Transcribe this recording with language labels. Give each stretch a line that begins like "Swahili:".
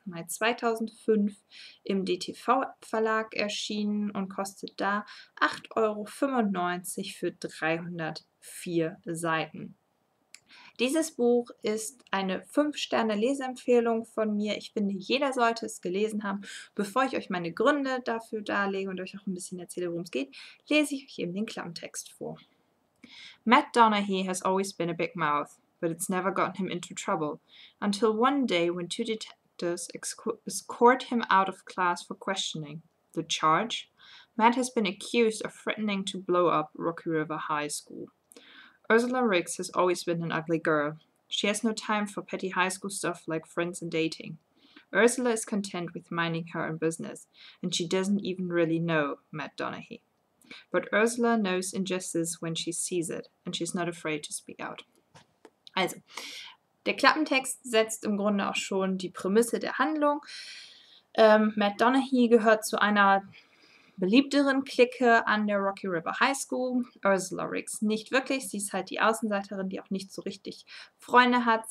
German: Mai 2005 im DTV Verlag erschienen und kostet da 8,95 Euro für 304 Seiten. Dieses Buch ist eine 5-Sterne-Leseempfehlung von mir. Ich finde, jeder sollte es gelesen haben. Bevor ich euch meine Gründe dafür darlege und euch auch ein bisschen erzähle, worum es geht, lese ich euch eben den Klappentext vor.
English: Matt Donaghy has always been a big mouth, but it's never gotten him into trouble. Until one day when two detectives escort him out of class for questioning. The charge? Matt has been accused of threatening to blow up Rocky River High School. Ursula Riggs has always been an ugly girl. She has no time for petty high school stuff like friends and dating. Ursula is content with minding her own business, and she doesn't even really know Matt Donaghy. But Ursula knows injustice when she sees it, and she's not afraid to speak out.
German: Also, der Klappentext setzt im Grunde auch schon die Prämisse der Handlung. Matt Donaghy gehört zu einer beliebteren Clique an der Rocky River High School, Ursula Riggs. Nicht wirklich, sie ist halt die Außenseiterin, die auch nicht so richtig Freunde hat.